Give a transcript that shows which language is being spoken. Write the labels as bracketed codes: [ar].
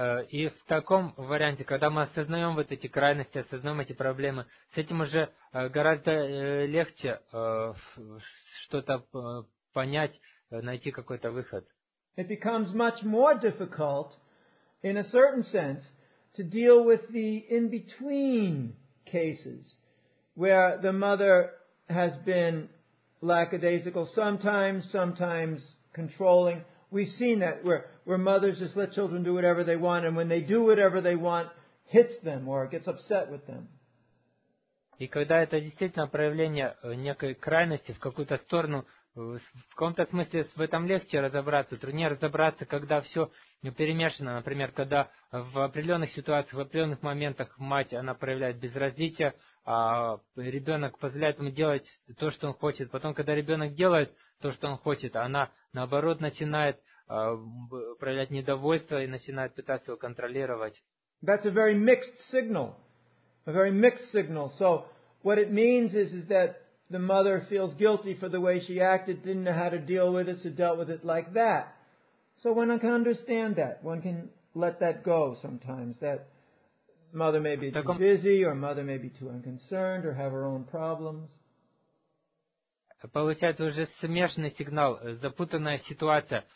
[ru] И в таком варианте, когда мы осознаем вот эти крайности, осознаем эти проблемы, с этим уже гораздо легче что-то понять, найти какой-то выход. [en] It becomes much more difficult, in a certain sense, to deal with the in-between cases, where the mother has been lackadaisical sometimes, sometimes controlling. We've seen that where mothers just let children do whatever they want, and when they do whatever they want, hits them or gets upset with them. [ru] И когда это действительно проявление некой крайности в какую-то сторону, в каком-то смысле в этом легче разобраться, труднее разобраться, когда все перемешано. Например, когда в определенных ситуациях, в определенных моментах мать, она проявляет безразличие, а ребенок позволяет ему делать то, что он хочет. Потом, когда ребенок делает то, что он хочет, она, наоборот, начинает проявлять недовольство и начинает пытаться его контролировать. [en] That's a very mixed signal. A very mixed signal. So, what it means is that the mother feels guilty for the way she acted, didn't know how to deal with it, so dealt with it like that. So, one can understand that. One can let that go sometimes, that mother may be too busy, or mother may be too unconcerned, or have her own problems. [ru] получается уже смешанный сигнал, запутанная ситуация.